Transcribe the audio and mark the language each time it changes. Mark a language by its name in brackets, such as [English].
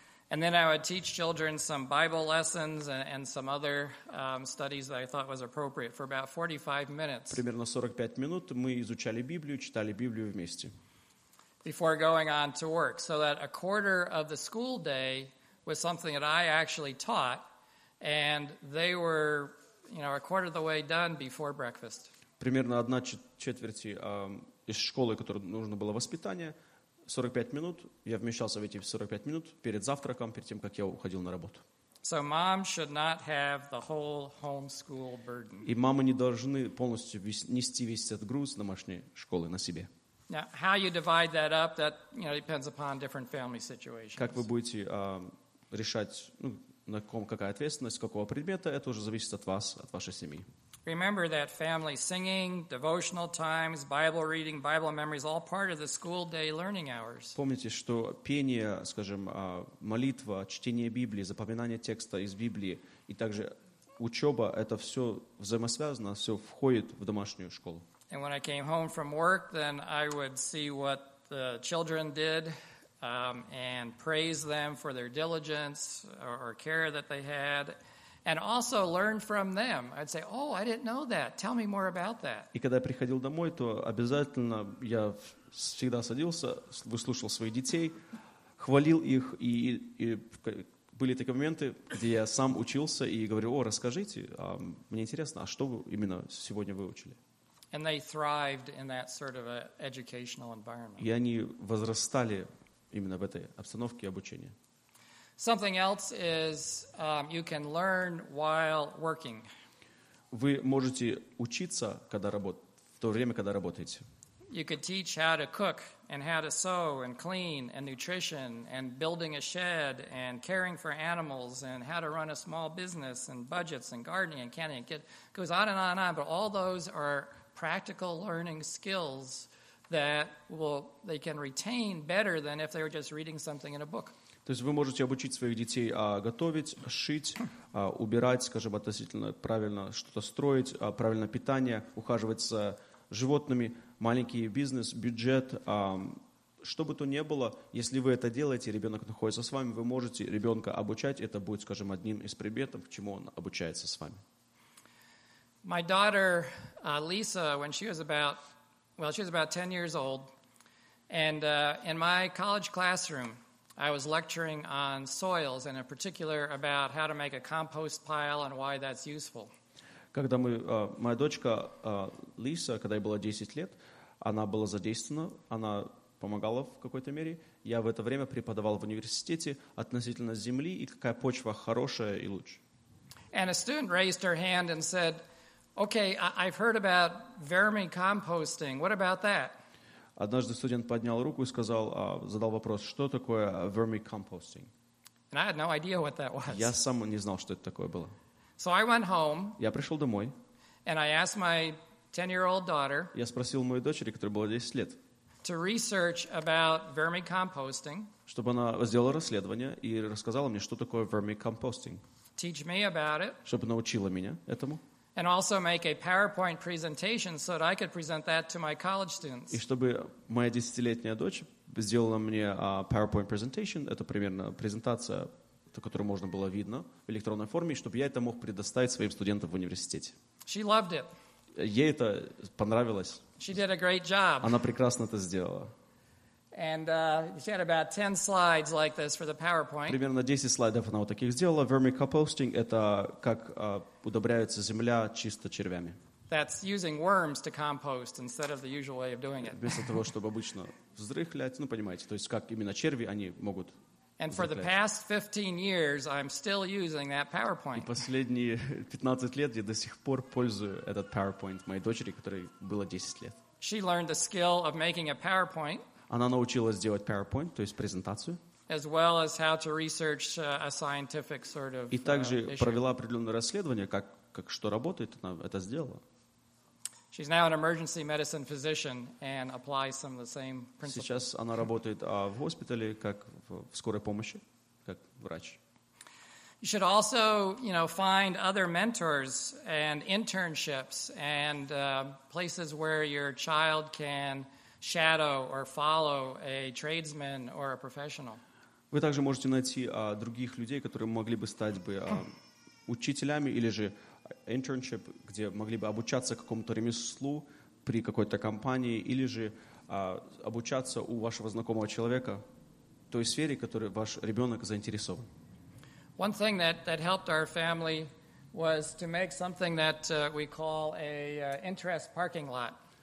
[English] And then I would teach children some Bible lessons and some other studies that I thought was appropriate for about 45 minutes. [Russian] Примерно 45 минут мы изучали Библию, читали Библию вместе. [English] Before going on to work, so that a quarter of the school day was something that I actually taught. And they were, you know, a quarter of the way done before breakfast. [Russian] Примерно одна четверть из школы, которой нужно было воспитание, 45 минут, я вмещался в эти 45 минут перед завтраком, перед тем, как я уходил на работу. [English] So mom should not have the whole homeschool burden. [Russian] И мамы не должны полностью нести весь этот груз домашней школы на себе. [English] Now, how you divide that up, that, you know, depends upon different family situations. [Russian] Как вы будете решать, ну, на ком какая ответственность, какого предмета, это уже зависит от вас, от вашей семьи. [English] Remember that family singing, devotional times, Bible reading, Bible memories, all part of the school day learning hours. [Russian] Помните, что пение, скажем, молитва, чтение Библии, запоминание текста из Библии и также учеба, это все взаимосвязано, все входит в домашнюю школу. [English] And when I came home from work, then I would see what the children did. And praise them for their diligence or care that they had, and also learn from them. I'd say, "Oh, I didn't know that. Tell me more about that." [Russian] И когда я приходил домой, то обязательно я всегда садился, выслушивал своих детей, хвалил их, и были такие моменты, где я сам учился и говорю: "О, расскажите, мне интересно, а что вы именно сегодня выучили?" [English] And they thrived in that sort of a educational environment. [Russian] И они возрастали именно в этой обстановке обучения. [English] Something else is you can learn while working. [Russian] Вы можете учиться, когда в то время, когда работаете. [English] You could teach how to cook and how to sew and clean and nutrition and building a shed and caring for animals and how to run a small business and budgets and gardening and canning. It goes on and on and on, but all those are practical learning skills that will they can retain better than if they were just reading something in a book. [Russian] То есть вы можете обучить своих детей готовить, шить, убирать, скажем, относительно правильно что-то строить, правильно питание, ухаживать за животными, маленький бизнес, бюджет, что бы то ни было, если вы это делаете, ребенок находится с вами, вы можете ребенка обучать, это будет, скажем, одним из предметов, к чему он обучается с вами. [English] My daughter, Lisa, when she was about, well, she was about 10 years old, and in my college classroom, I was lecturing on soils, and in particular about how to make a compost pile and why that's useful. [Russian] Когда мы, моя дочка Лиса, когда ей было 10 лет, она была задействована, она помогала в какой-то мере. Я в это время преподавал в университете относительно земли и какая почва хорошая и лучше. [English] And a student raised her hand and said, "Okay, I've heard about vermicomposting. What about that?" [Russian] Однажды студент поднял руку и сказал, задал вопрос, что такое vermicomposting. [English] And I had no idea what that was. [Russian] Я сам не знал, что это такое было. [English] So I went home. [Russian] Я пришел домой. [English] And I asked my 10-year-old daughter. [Russian] Я спросил мою дочери, которой было 10 лет. [English] To research about vermicomposting. [Russian] Чтобы она сделала расследование и рассказала мне, что такое vermicomposting. [English] Teach me about it. [Russian] Чтобы научила меня этому. [English] And also make a PowerPoint presentation so that I could present that to my college students. [Russian] И чтобы моя десятилетняя дочь сделала мне [English] PowerPoint presentation, [Russian] это примерно презентация, которую можно было видно в электронной форме, чтобы я это мог предоставить своим студентам в университете. [English] She loved it. [Russian] Ей это понравилось. [English] She did a great job. [Russian] Она прекрасно это сделала. [English] And she had about 10 slides like this for the PowerPoint. [Russian] Примерно 10 слайдов она вот таких сделала. Vermicomposting — это как удобряется земля чисто червями. [English] That's using worms to compost instead of the usual way of doing it. [Russian] Вместо того, чтобы обычно взрыхлять, ну, понимаете, то есть как именно черви, они могут... [English] And for the past 15 years, I'm still using that PowerPoint. [Russian] И последние 15 лет я до сих пор пользую этот PowerPoint моей дочери, которой было 10 лет. [English] She learned the skill of making a PowerPoint. [Russian] Она научилась делать PowerPoint, то есть презентацию. [English] As well as how to research a scientific sort of. [Russian] И также провела определенное расследование, как что работает, она это сделала. [English] She's now an emergency medicine physician and applies some of the same principles. [Russian] Сейчас она работает в госпитале как в скорой помощи, как врач. [English] You should also, you know, find other mentors and internships and places where your child can shadow or follow a tradesman or a professional. [Russian] Вы также можете найти других людей, которые могли бы стать бы учителями или же internship, где могли бы обучаться какому-то ремеслу при какой-то компании или же обучаться у вашего знакомого человека в той сфере, в которой ваш ребенок заинтересован. [English] One thing that helped our family was to make something that we call a interest parking lot.